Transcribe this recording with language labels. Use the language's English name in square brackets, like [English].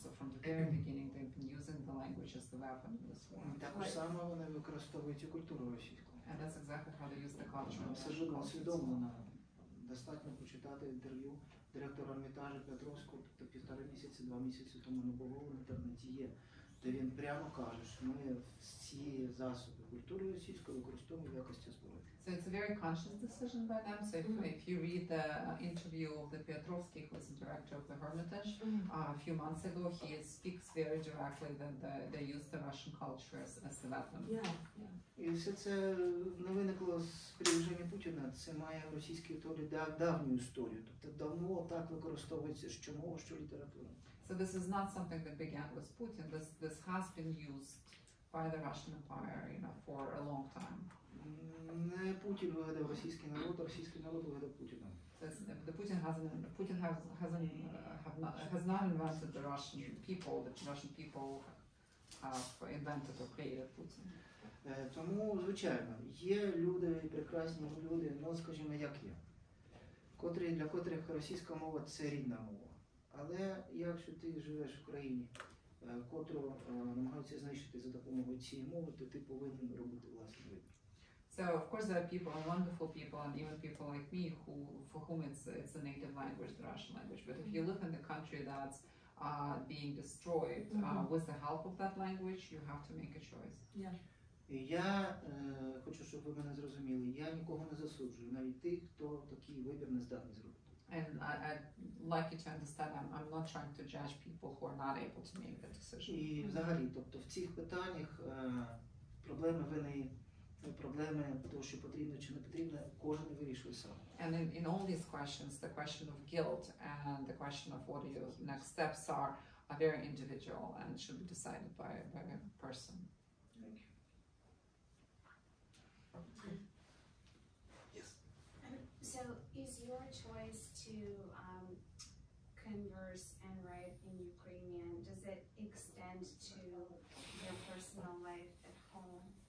[English] So from the very beginning, they've been using the language as the weapon in this war. [Ukrainian] Також само вони використовують культуру російську. [English] And that's exactly how they use the culture. [Ukrainian] Абсолютно свідомо. Достатньо почитати інтерв'ю директора Ермітажу Петровського, тобто півтора місяці, два місяці тому на Бугову, в інтернеті є, де він прямо каже, що ми всі засоби культури російської використовуємо в якості зброї. [English] So it's a very conscious decision by them. So if you read the interview of the Piotrowski, who is the director of the Hermitage, a few months ago, he speaks very directly that they use the Russian culture as the weapon. Yeah. [Ukrainian] І все це не виникло з приближення Путіна. Це має російські історії давню історію. Тобто давно так використовується, що мова, що література. [English] So this is not something that began with Putin. This has been used by the Russian Empire, you know, for a long time. [Ukrainian] Не Путін вигадав російський народ, а російський народ вигадав Путіна. [English] Путін has not invented the Russian people, the Russian people have invented or created Putin. [Ukrainian] Тому, звичайно, є люди, прекрасні люди, ну, скажімо, як я, для котрих російська мова – це рідна мова. Але якщо ти живеш в країні, котру намагаються знищити за допомогою цієї мови, то ти повинен робити власне вибір. [English] So of course there are people, and wonderful people, and even people like me, who for whom it's a native language, the Russian language. But if you live in the country that's being destroyed with the help of that language, you have to make a choice. Yeah. [Ukrainian] Я хочу, щоб ви мене зрозуміли. Я нікого не засуджую, навіть тих, хто такий вибір не здатний зробити. [English] And I'd like you to understand, I'm not trying to judge people who are not able to make that decision. [Ukrainian] І взагалі, тобто в цих питаннях проблеми виникли. Проблеми того, що потрібно чи не потрібно, кожен вирішує сам. [English] And in all these questions, the question of guilt and the question of what your next steps are very individual and should be decided by a person. Thank you. Yes. So is your choice to converse and write in Ukrainian, does it extend to your personal life at home?